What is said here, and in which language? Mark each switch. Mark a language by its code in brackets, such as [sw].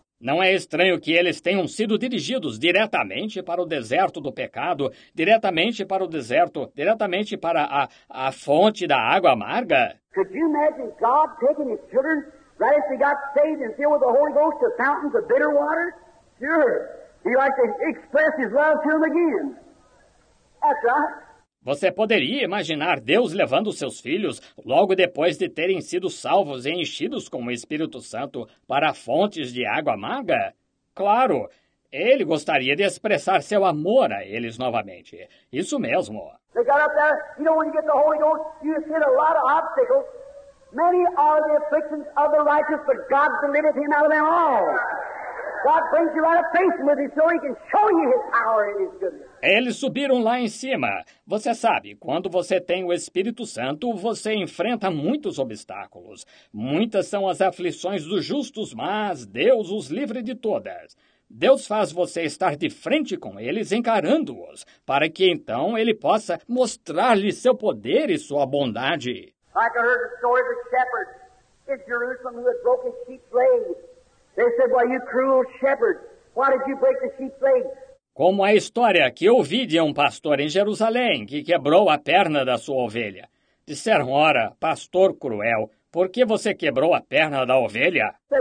[pt] Não é estranho que eles tenham sido dirigidos diretamente para o deserto do pecado, diretamente para o deserto, diretamente para a fonte da água amarga? [en] Could you imagine God taking his children right as they got saved and filled with the Holy Ghost to fountains of bitter water? Sure. He likes to express his love to them again. That's right. [pt] Você poderia imaginar Deus levando seus filhos logo depois de terem sido salvos e enchidos com o Espírito Santo para fontes de água amarga? Claro, ele gostaria de expressar seu amor a eles novamente. Isso mesmo. [en] They got up there. You know, when you get the Holy Ghost, you hit a lot of obstacles. Many are the afflictions of the righteous, but God delivered him out of them all. God brings you out of faith with him so he can show you his power and his goodness. [pt] Eles subiram lá em cima. Você sabe, quando você tem o Espírito Santo, você enfrenta muitos obstáculos. Muitas são as aflições dos justos, mas Deus os livre de todas. Deus faz você estar de frente com eles, encarando-os, para que então ele possa mostrar-lhe seu poder e sua bondade. [en] Like I heard the story of the shepherd in Jerusalem who had broken sheep's legs. They said, "Why, you cruel shepherd, why did you break the sheep's legs?" [pt] Como a história que ouvi de um pastor em Jerusalém que quebrou a perna da sua ovelha. Disseram, ora, pastor cruel, por que você quebrou a perna da ovelha?